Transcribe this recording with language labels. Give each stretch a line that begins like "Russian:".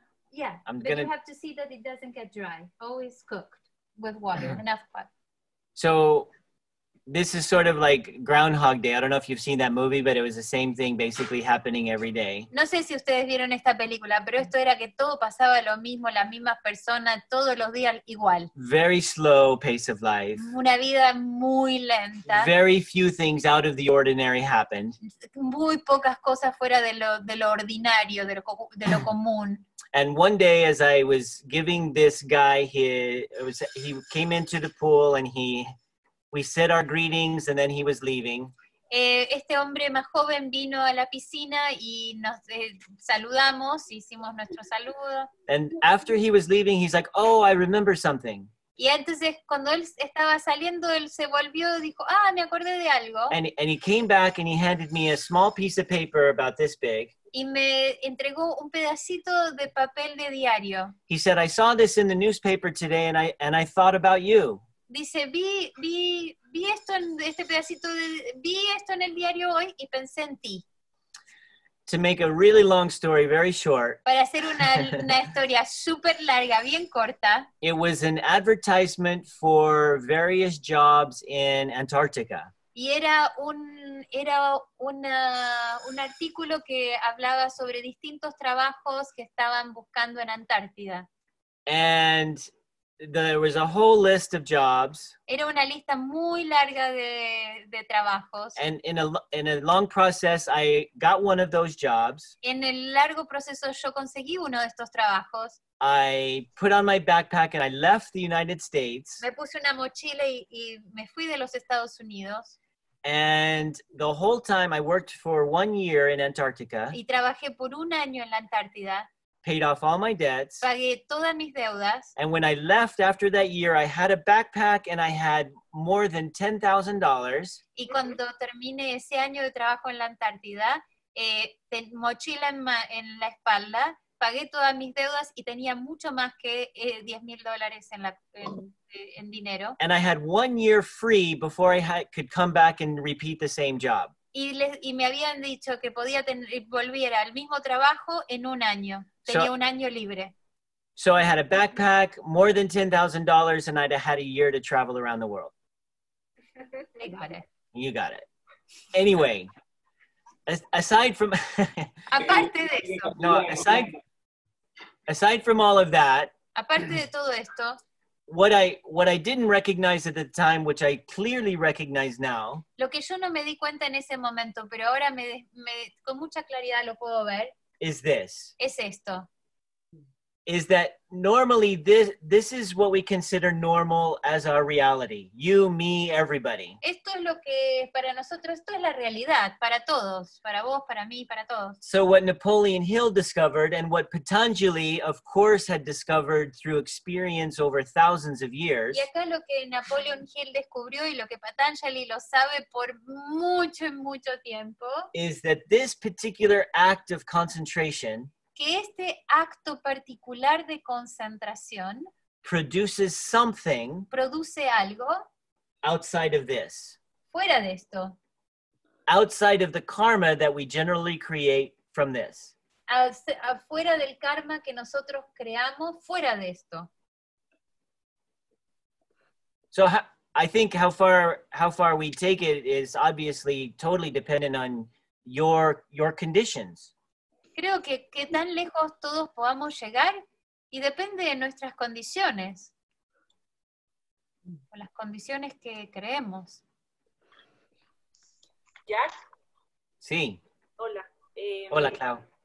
English: Yeah, but you have to see that it doesn't get dry. Always cooked with water, enough pot. So this is sort of like Groundhog Day. I don't know if you've seen that movie, but it was the same thing basically happening every day.
Spanish: No sé si ustedes vieron esta película, pero esto era que todo pasaba lo mismo, las mismas personas, todos los días igual.
English: Very slow pace of life.
Spanish: Una vida muy lenta.
English: Very few things out of the ordinary happened.
Spanish: Muy pocas cosas fuera de lo ordinario, de lo común.
English: And one day as I was giving this guy, he came into the pool and we said our greetings and then he was leaving.
Spanish: Este hombre más joven vino a la piscina y nos saludamos, hicimos nuestro saludo.
English: And after he was leaving, he's like, oh, I remember something.
Spanish: Y entonces cuando él estaba saliendo, él se volvió y dijo, ah, me acordé de algo.
English: And he came back and he handed me a small piece of paper about this big.
Spanish: Y me entregó un pedacito de papel de diario.
English: He said, I saw this in the newspaper today and I thought about you.
Spanish: Dice, vi esto en este pedacito de, vi esto en el diario hoy y pensé en ti.
English: To make a really long story very short.
Spanish: Para hacer una historia super larga, bien corta.
English: It was an advertisement for various jobs in Antarctica.
Spanish: Y era un artículo que hablaba sobre distintos trabajos que estaban buscando en Antártida.
English: And there was a whole list of jobs.
Spanish: Era una lista muy larga de trabajos.
English: And in a long process, I got one of those jobs.
Spanish: En el largo proceso, yo conseguí uno de estos trabajos.
English: I put on my backpack and I left the United States.
Spanish: Me puse una mochila y me fui de los Estados Unidos.
English: And the whole time, I worked for 1 year in Antarctica.
Spanish: Y trabajé por un año en la Antártida.
English: Paid off all my debts.
Spanish: Pagué todas mis deudas.
English: And when I left after that year, I had a backpack and I had more than $10,000.
Spanish: Y cuando terminé ese año de trabajo en la Antártida, mochila en la espalda, pagué todas mis deudas y tenía mucho más que $10,000 en dinero.
English: And I had 1 year free before I could come back and repeat the same job.
Spanish: Y me habían dicho que podía volver al mismo trabajo en un año. Tenía un año libre.
English: So I had a backpack, more than $10,000, and I'd had a year to travel around the world. They got it. You got it. Anyway, aside from...
Spanish: Aparte de eso.
English: No, aside... aside from all of that,
Spanish: aparte de todo esto,
English: what I didn't recognize at the time, which I clearly recognize now,
Spanish: lo que yo no me di cuenta en ese momento, pero ahora me con mucha claridad lo puedo ver,
English: is this.
Spanish: Es esto.
English: Is that normally this is what we consider normal as our reality. You, me, everybody.
Spanish: Esto es lo que para nosotros, esto es la realidad, para todos, para vos, para mí, para todos.
English: So what Napoleon Hill discovered and what Patanjali, of course, had discovered through experience over thousands of years.
Spanish: Y acá lo que Napoleon Hill descubrió y lo que Patanjali lo sabe por mucho, mucho tiempo.
English: Is that this particular act of concentration
Spanish: que este acto particular de concentración
English: produces something
Spanish: produce algo
English: outside of this.
Spanish: Fuera de esto.
English: Outside of the karma that we generally create from this.
Spanish: Afuera del karma que nosotros creamos, fuera de esto.
English: So I think how far we take it is obviously totally dependent on your conditions.
Spanish: Creo que tan lejos todos podamos llegar y depende de nuestras condiciones. O las condiciones que creemos. ¿Jack? Sí. Hola. Hola, Clau.